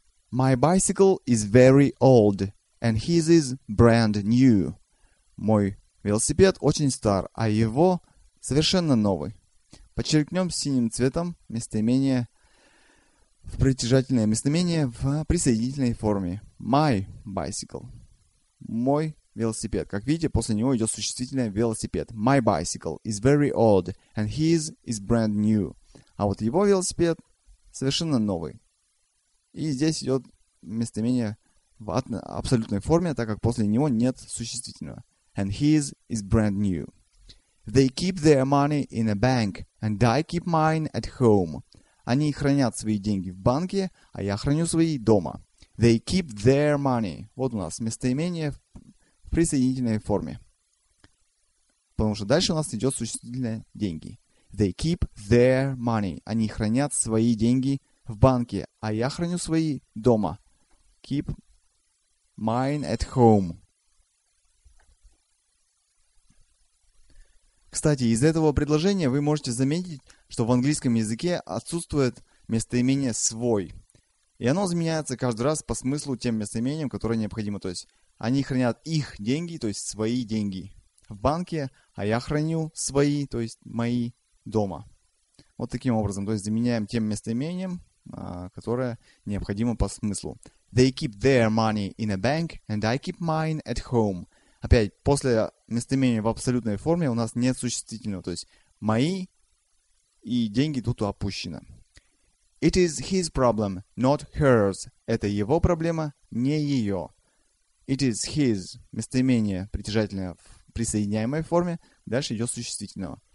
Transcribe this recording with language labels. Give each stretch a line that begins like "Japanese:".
English: My bicycle is very old, and his is brand new.
Russian: Мой велосипед очень стар, а его совершенно новый. Подчеркнем синим цветом местоимение в притяжательное местоимение в присоединительной форме.
English: My bicycle.
Russian: Мой велосипед. Как видите, после него идет существительное велосипед.
English: My bicycle is very old, and his is brand new.
Russian: А вот его велосипед совершенно новый. И здесь идет местоимение в абсолютной форме, так как после него нет существительного.
English: And his is brand new. They keep their money in a bank, and I keep mine at home.
Russian: Они хранят свои деньги в банке, а я храню свои дома.
English: They keep their money.
Russian: Вот у нас местоимение в присоединительной форме. Потому что дальше у нас идет существительное деньги.
English: They keep their money.
Russian: Они хранят свои деньги в банке, а я храню свои дома.
English: Keep mine at home.
Russian: Кстати, из этого предложения вы можете заметить, что в английском языке отсутствует местоимение «свой». И оно заменяется каждый раз по смыслу тем местоимением, которое необходимо. То есть они хранят их деньги, то есть свои деньги в банке, а я храню свои, то есть мои дома. Вот таким образом. То есть заменяем тем местоимением, которое необходимо по смыслу.
English: They keep their money in a bank, and I keep mine at home.
Russian: Опять, после местоимения в абсолютной форме у нас нет существительного. То есть мои и деньги тут опущены.
English: It is his problem, not hers.
Russian: Это его проблема, не ее.
English: It is his.
Russian: Местоимение притяжательное в присоединяемой форме. Дальше идет существительное.